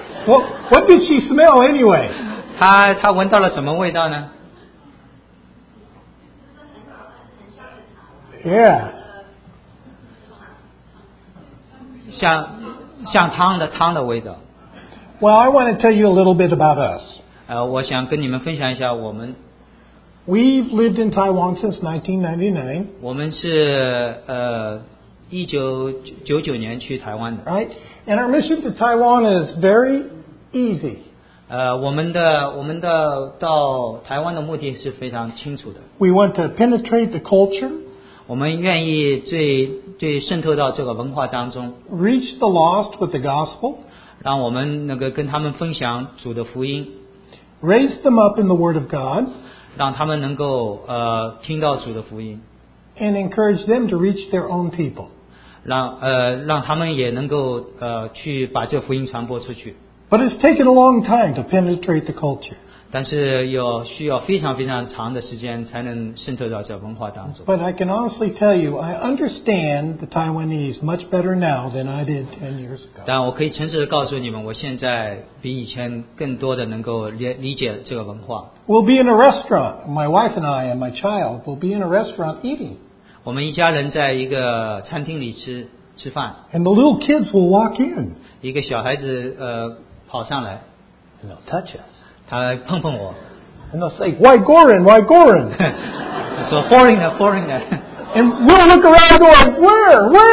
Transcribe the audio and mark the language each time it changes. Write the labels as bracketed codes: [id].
[en] What did she smell anyway? [zh] 她闻到了什么味道呢？ [en] Yeah. [zh] 像汤的味道。 [en] Well, I want to tell you a little bit about us. [zh] 我想跟你们分享一下我们。 [en] We've lived in Taiwan since 1999. [zh] 我们是1999年去台湾的。 [en] Right? And our mission to Taiwan is very easy. [zh] 我们的到台湾的目的是非常清楚的。 [en] We want to penetrate the culture. [zh] 我们愿意最渗透到这个文化当中 [en] ，reach the lost with the gospel， [zh] 让我们那个跟他们分享主的福音 [en] ，raise them up in the word of God， [zh] 让他们能够听到主的福音 [en] ，and encourage them to reach their own people， [zh] 让他们也能够去把这福音传播出去。 [en] But it's taken a long time to penetrate the culture. [zh] 但是有需要非常非常长的时间才能渗透到这文化当中。 [en] But I can honestly tell you, I understand the Taiwanese much better now than I did 10 years ago. [zh] 但我可以诚实地告诉你们，我现在比以前更多的能够理解这个文化。 [en] We'll be in a restaurant. My wife and I and my child will be in a restaurant eating. [zh] 我们一家人在一个餐厅里吃饭。 [en] And the little kids will walk in. [zh] 一个小孩子跑上来。 [en] And they'll touch us. [zh] 他碰碰我。 [en] And they'll say, why Goran, why Goran? 说 foreigner, foreigner. And we'll look around and go, where?